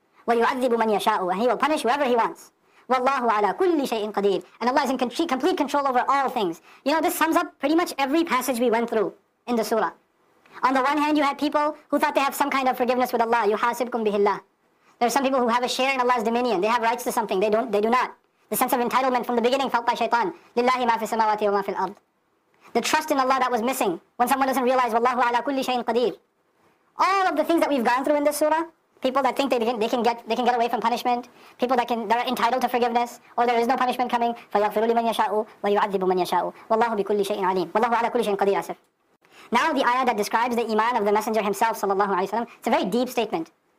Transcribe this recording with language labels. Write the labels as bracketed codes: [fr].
[ar] وَيُعَذِّبُ مَنْ يَشَاءُ, [en] and He will punish whoever He wants. [ar] وَاللَّهُ عَلَى كُلِّ شَيْءٍ قَدِيرٌ, [en] and Allah is in complete control over all things. You know, this sums up pretty much every passage we went through in the surah. On the one hand, you had people who thought they have some kind of forgiveness with Allah. [ar] يُحَاسِبْكُمْ بِهِ اللَّهُ, [en] there are some people who have a share in Allah's dominion. They have rights to something. They do not. The sense of entitlement from the beginning felt by shaitan. [ar] لِلَّهِ مَا فِي السَّمَاوَاتِ وَمَا فِي الْأَرْضِ, [en] the trust in Allah that was missing when someone doesn't realize [ar] وَاللَّهُ عَلَى كُلِّ شَيْءٍ قَدِيرٌ. [en] All of the things that we've gone through in this surah, people that think they can get away from punishment, people that are entitled to forgiveness, or there is no punishment coming. [ar] فَيَغْفِرُ لِمَنْ يَشَاءُ وَيُعَذِّبُ مَنْ يَشَاءُ وَاللَّهُ بِكُلِّ شَيْءٍ عَلِيمٌ وَاللَّهُ عَلَى كُلِّ شَيْءٍ قَدِيرٌ أسف. [en] Now the ayah that describes the iman of the messenger himself sallallahu alaihi wasallam, it's a very deep statement.